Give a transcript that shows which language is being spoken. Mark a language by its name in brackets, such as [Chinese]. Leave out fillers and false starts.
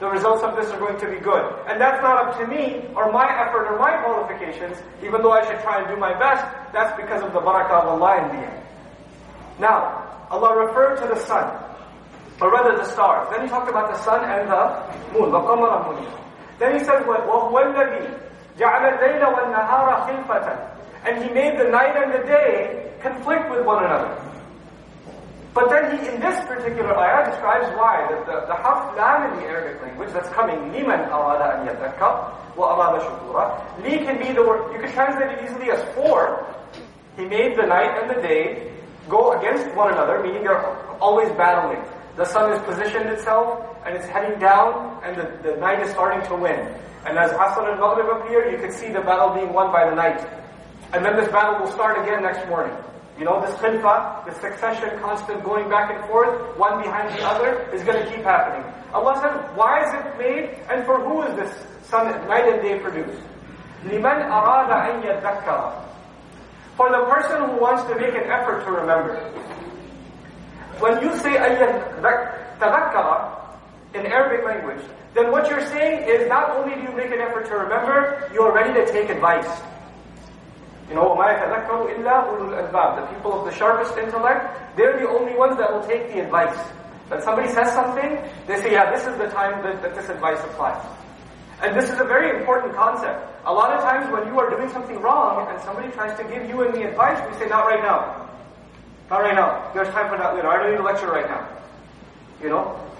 [English] The results of this are going to be good. And that's not up to me, or my effort, or my qualifications, even though I should try and do my best, that's because of the barakah of Allah in the end. Now, Allah referred to the sun, or rather the stars. Then He talked about the sun and the moon. [Arabic] وَقَمَرَ مُنِيرًا. [English] Then He said, [Arabic] وَهُوَ الَّذِي جَعَلَ اللَّيْلَ وَالنَّهَارَ خِلْفَةً. [English] And He made the night and the day conflict with one another. But then He, in this particular ayah, describes why. The harf lam in the Arabic language that's coming, liman arada an yatakab wa arada shukura, li can be the word, you can translate it easily as for. He made the night and the day go against one another, meaning they're always battling. The sun has positioned itself, and it's heading down, and the night is starting to win. And as Asr and Maghrib appear, you can see the battle being won by the night. And then this battle will start again next morning. You know, this khilfa, this succession, constant going back and forth, one behind the other, is going to keep happening. Allah says, why is it made, and for who is this sun, night and day produced? [Arabic] لِمَنْ أَرَادَ أَنْ يَذَّكَّرَ. [English] For the person who wants to make an effort to remember. When you say [Arabic] أَيَّنْ تَذَكَّرَ [English] in Arabic language, then what you're saying is not only do you make an effort to remember, you are ready to take advice. You know, [Arabic] وَمَا يَتَذَكَّرُ إِلَّا أُولُو الْأَلْبَابِ. [English] The people of the sharpest intellect, they're the only ones that will take the advice. When somebody says something, they say, yeah, this is the time that this advice applies. And this is a very important concept. A lot of times when you are doing something wrong and somebody tries to give you and me advice, we say, not right now. Not right now. There's time for that later. I don't need a lecture right now. You know?